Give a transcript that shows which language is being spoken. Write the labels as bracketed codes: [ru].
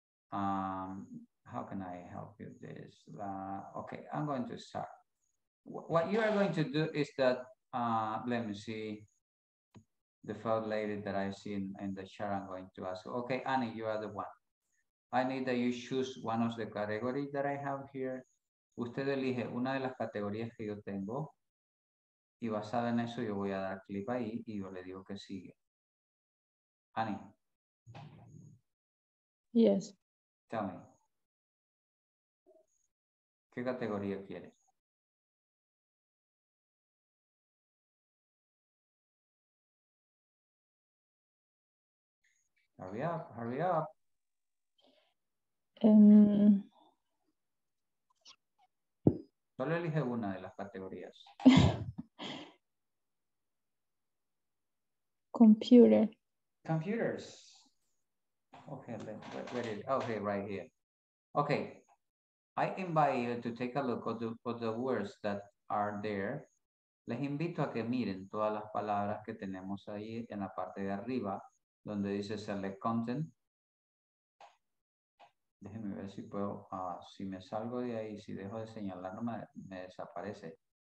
[en] How can I help you this? Okay, I'm going to start. What you are going to do is that, let me see, the first lady that I see in the chat, I'm going to ask. Okay, Annie, you are the one. I need that you choose one of the categories that I have here. [es] Usted elige una de las categorías que yo tengo. Y basada en eso, yo voy a dar clic ahí y yo le digo que sigue. Annie. [en] Yes. Tell me. [es] ¿Qué categoría quieres? [en] Hurry up, hurry up. [es] Solo elige una de las categorías. [en] Computer. Computers. Okay, okay, right here. Okay. I invite you to take a look at the words that are there. [es] Les invito a que miren todas las palabras que tenemos ahí en la parte de arriba, donde dice select content. Déjenme ver si puedo, si me salgo de ahí, si dejo de señalar, no me desaparece.